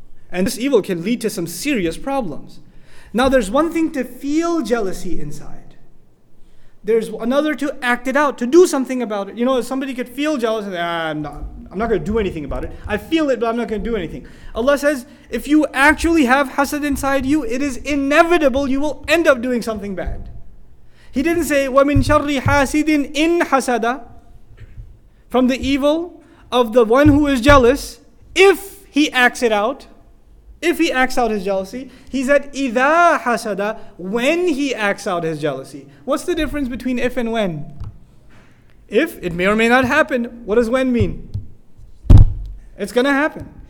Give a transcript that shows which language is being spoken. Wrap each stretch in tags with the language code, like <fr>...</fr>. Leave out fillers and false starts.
<en>And this evil can lead to some serious problems. Now, there's one thing to feel jealousy inside. There's another to act it out, to do something about it. You know, somebody could feel jealous and say, I'm not going to do anything about it. I feel it, but I'm not going to do anything. Allah says, if you actually have hasad inside you, it is inevitable you will end up doing something bad. He didn't say,</en> <ar>وَمِن شَرِّ حَاسِدٍ إِن حَسَدَ.</ar> <en>From the evil of the one who is jealous, if he acts it out, if he acts out his jealousy, he said,</en> <ar>إِذَا حَسَدَ,</ar> <en>when he acts out his jealousy. What's the difference between if and when? If, it may or may not happen. What does when mean? It's gonna happen.</en>